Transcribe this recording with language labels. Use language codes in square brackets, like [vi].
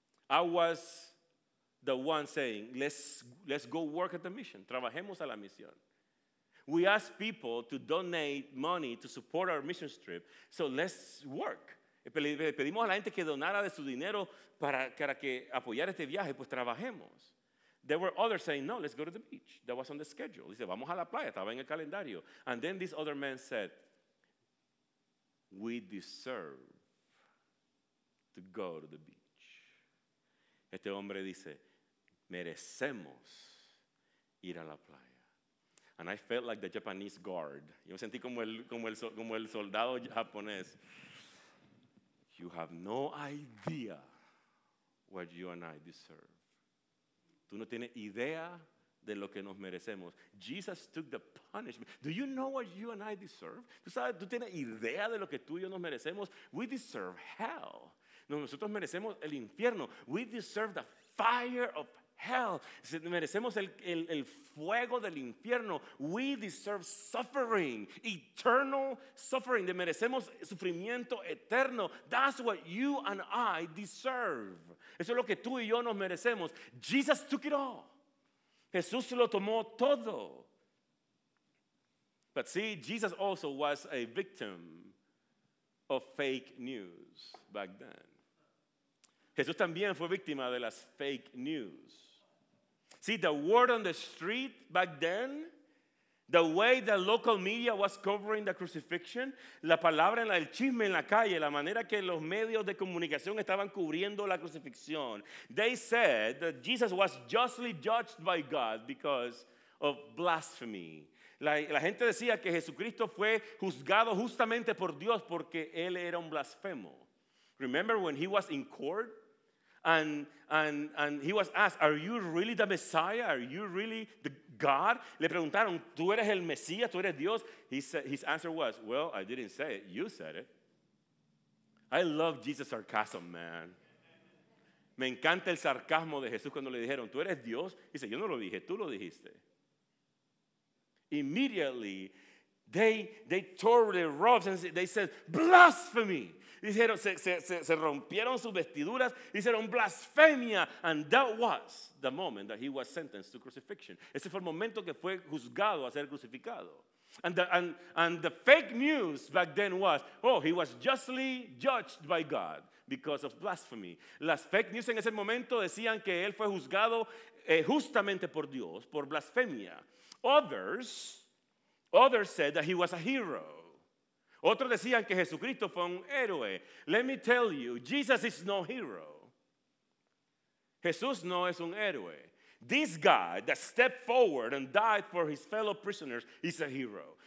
[en] I was the one saying, let's go work at the mission. [es] Trabajemos a la misión. [en] We ask people to donate money to support our mission trip, so let's work. [es] Pedimos a la gente que donara de su dinero para que apoyar este viaje, pues trabajemos. [en] There were others saying, no, let's go to the beach. That was on the schedule. [es] Dice, vamos a la playa, estaba en el calendario. [en] And then this other man said, we deserve to go to the beach. [es] Este hombre dice, merecemos ir a la playa. [en] And I felt like the Japanese guard. [es] Yo me sentí como el soldado japonés. [en] You have no idea what you and I deserve. [es] Tú no tienes idea de lo que nos merecemos. [en] Jesus took the punishment. Do you know what you and I deserve? [es] Tú sabes, tú tienes idea de lo que tú y yo nos merecemos. [en] We deserve hell. [es] Nosotros merecemos el infierno. [en] We deserve the fire of hell. [es] Hell, merecemos el fuego del infierno. [en] We deserve suffering, eternal suffering. [es] Merecemos sufrimiento eterno. [en] That's what you and I deserve. [es] Eso es lo que tú y yo nos merecemos. [en] Jesus took it all. [es] Jesús lo tomó todo. [en] But see, Jesus also was a victim of fake news back then. [es] Jesús también fue víctima de las fake news. [en] See, the word on the street back then, the way the local media was covering the crucifixion, [es] la palabra, el chisme en la calle, la manera que los medios de comunicación estaban cubriendo la crucifixión. [en] They said that Jesus was justly judged by God because of blasphemy. [es] La gente decía que Jesucristo fue juzgado justamente por Dios porque él era un blasfemo. [en] Remember when he was in court? And he was asked, are you really the Messiah? Are you really the God? [es] Le preguntaron, ¿tú eres el Mesías? ¿Tú eres Dios? [en] His answer was, well, I didn't say it. You said it. I love Jesus' sarcasm, man. [es] Me encanta el sarcasmo de Jesús cuando le dijeron, ¿tú eres Dios? [en] He said, [es] yo no lo dije, tú lo dijiste. [en] Immediately, they tore their robes and they said, blasphemy. [es] Dijeron, se rompieron sus vestiduras, hicieron blasfemia. [en] And that was the moment that he was sentenced to crucifixion. [es] Ese fue el momento que fue juzgado a ser crucificado. [en] And the fake news back then was, oh, he was justly judged by God because of blasphemy. [es] Las fake news en ese momento decían que él fue juzgado justamente por Dios, por blasfemia. [en] Others said that he was a hero. [es] Otros decían que Jesucristo fue un héroe. [en] Let me tell you, Jesus is no hero. [es] Jesús no es un héroe. [en] This guy that stepped forward and died for his fellow prisoners is a hero.